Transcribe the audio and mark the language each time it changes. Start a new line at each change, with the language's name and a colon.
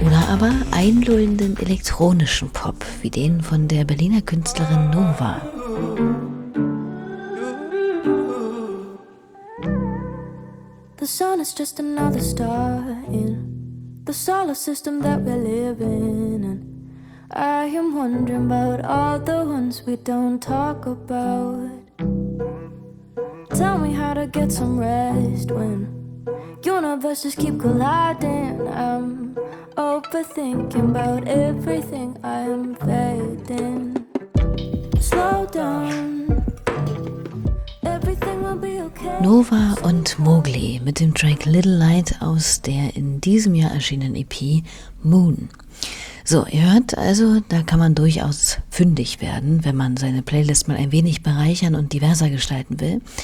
German: Aber einlullenden elektronischen Pop, wie den von der Berliner Künstlerin Nova.
English: The sun is just another star in the solar system that we live in. And I am wondering about all the ones we don't talk about. Tell me how to get some rest when universes keep colliding. I'm overthinking about everything I am fading. Slow down. Everything will be okay.
German: Nova und Mowgli mit dem Track Little Light aus der in diesem Jahr erschienenen EP Moon. So, ihr hört also, da kann man durchaus fündig werden, wenn man seine Playlist mal ein wenig bereichern und diverser gestalten will.